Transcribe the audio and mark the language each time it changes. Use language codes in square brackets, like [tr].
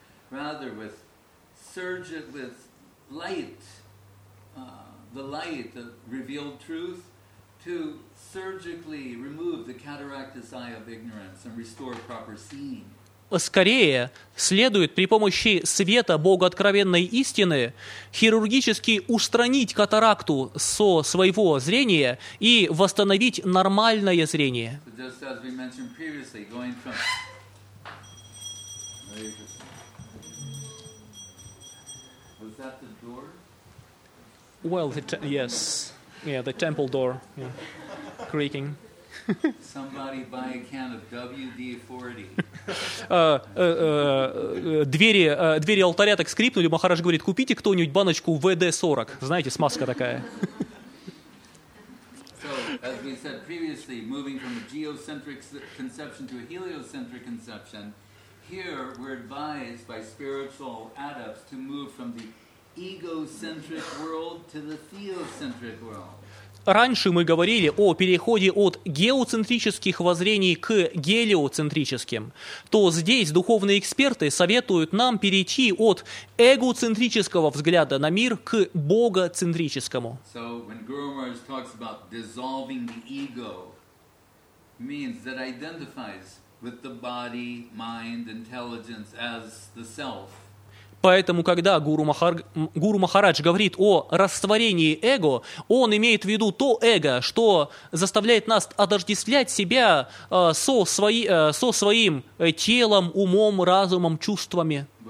[en] Rather with surge with light, the light of revealed truth to surgically remove the cataract's eye of ignorance and restore proper seeing. [ru] Скорее следует при помощи света Бога откровенной истины хирургически устранить катаракту со своего зрения и восстановить нормальное зрение. [en] Just as we mentioned previously, going from was that the door? Well, yes. Yeah, the temple door, yeah. Creaking. Somebody buy a can of WD-40. [ru] Двери алтаря так скрипнули. Махарадж говорит: купите кто-нибудь баночку WD-40. Знаете, смазка такая. [en] So, as we said previously, moving from a geocentric conception to a heliocentric conception, here we're advised by spiritual adepts to move from the egocentric world to the theocentric world. [ru] Раньше мы говорили о переходе от геоцентрических воззрений к гелиоцентрическим. То здесь духовные эксперты советуют нам перейти от эгоцентрического взгляда на мир к богоцентрическому. [en] So when Guru Maharaj talks about dissolving the ego, means that identifies with the body, mind, intelligence as the self. [ru] Поэтому, когда Гуру Махарадж говорит о растворении эго, он имеет в виду то эго, что заставляет нас отождествлять себя со своим телом, умом, разумом, чувствами.